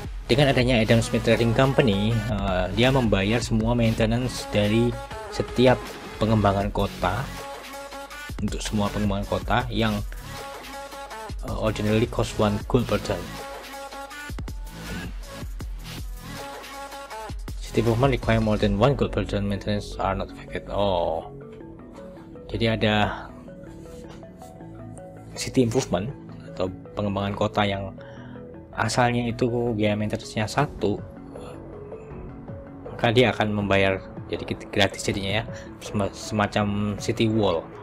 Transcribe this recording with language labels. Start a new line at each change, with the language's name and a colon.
Indonesian: Dengan adanya Adam Smith Trading Company, dia membayar semua maintenance dari setiap pengembangan kota, untuk semua pengembangan kota yang
English: originally cost 1 gold per ton. City improvement require more than 1 gold per ton, maintenance are not affected.
Indonesian: Oh, jadi ada city improvement atau pengembangan kota yang asalnya itu biaya maintenance-nya 1, maka dia akan membayar jadi gratis jadinya ya, semacam city wall.